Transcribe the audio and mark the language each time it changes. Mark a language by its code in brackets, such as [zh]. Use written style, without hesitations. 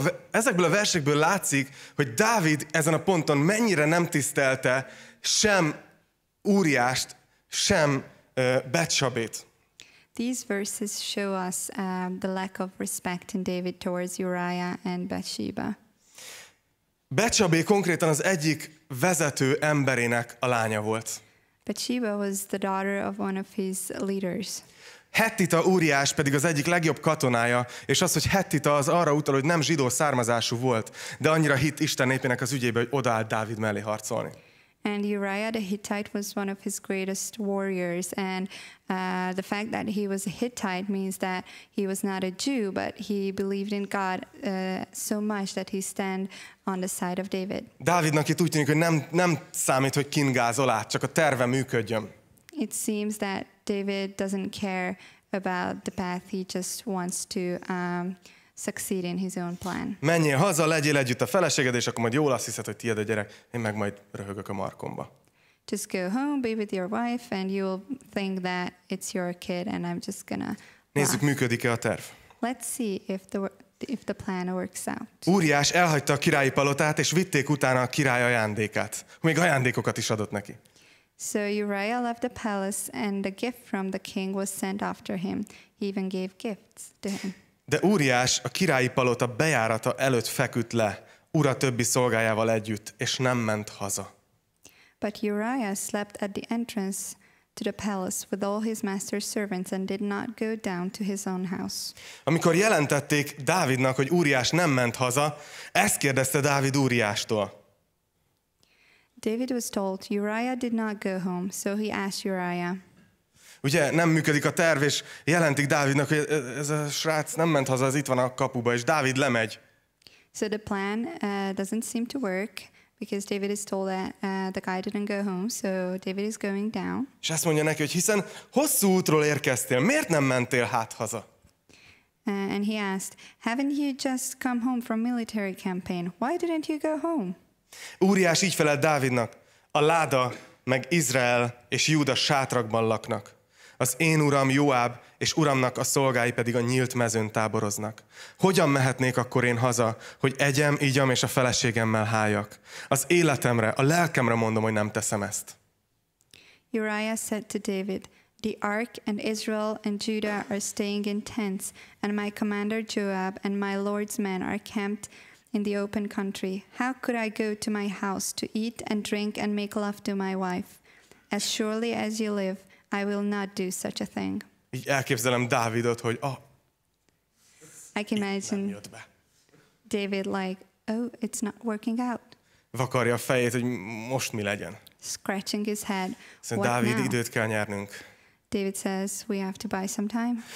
[hu] Ezekből a versekből látszik, hogy Dávid ezen a ponton mennyire nem tisztelte sem Úriást, sem Betsabét. [en] These verses show us the lack of respect in David towards Uriah and Bathsheba. [hu] Betsabé konkrétan az egyik vezető emberének a lánya volt. [en] Bathsheba was the daughter of one of his leaders. [hu] Hettita Úriás pedig az egyik legjobb katonája, és az, hogy Hettita, az arra utal, hogy nem zsidó származású volt, de annyira hitt Isten népének az ügyébe, hogy odaállt Dávid mellé harcolni. [en] And Uriah the Hittite was one of his greatest warriors, and the fact that he was a Hittite means that he was not a Jew, but he believed in God so much that he stand on the side of David. [hu] Dávidnak itt úgy tűnik, hogy nem számít, hogy kingázol át, csak a terve működjön. [en] It seems that David doesn't care about the path, he just wants to succeed in his own plan. [hu] Menjél haza, legyél együtt a feleséged, és akkor majd jól azt hiszed, hogy tiéd a gyerek, én meg majd röhögök a markomba. [en] Just go home, be with your wife, and you'll think that it's your kid, and I'm just gonna... [hu] Nézzük, működik-e a terv. [en] Let's see if the plan works out. [hu] Úriás elhagyta a királyi palotát, és vitték utána a király ajándékát. Még ajándékokat is adott neki. [en] So Uriah left the palace, and a gift from the king was sent after him. He even gave gifts to him. [hu] De Úriás a királyi palota bejárata előtt feküdt le, ura többi szolgájával együtt, és nem ment haza. [en] But Uriah slept at the entrance to the palace with all his master's servants and did not go down to his own house. [hu] Amikor jelentették Dávidnak, hogy Úriás nem ment haza, ezt kérdezte Dávid Úriástól. [en] David was told Uriah did not go home, so he asked Uriah. [hu] Ugye nem működik a terv, és jelentik Dávidnak, hogy ez a srác nem ment haza, az itt van a kapuba, és Dávid lemegy. [en] So the plan doesn't seem to work, because David is told that the guy didn't go home, so David is going down. [hu] És azt mondja neki, hogy hiszen hosszú útról érkeztél, miért nem mentél hát haza? [en] And he asked, haven't you just come home from military campaign? Why didn't you go home? [hu] Úriás így felelt Dávidnak, a láda meg Izrael és Júda sátrakban laknak. Az én uram Joáb és uramnak a szolgái pedig a nyílt mezőn táboroznak. Hogyan mehetnék akkor én haza, hogy egyem, igyam és a feleségemmel háljak? Az életemre, a lelkemre mondom, hogy nem teszem ezt. [en] Uriah said to David, the ark and Israel and Judah are staying in tents, and my commander Joab and my lord's men are camped in the open country. How could I go to my house to eat and drink and make love to my wife? As surely as you live, I will not do such a thing. [hu] Így elképzelem Dávidot, hogy [en] I can imagine David like, oh, it's not working out. [hu] Vakarja a fejét, hogy most mi legyen. [en] Scratching his head. [hu] Szerintem Dávid, időt kell nyernünk. [en] David says, we have to buy some time.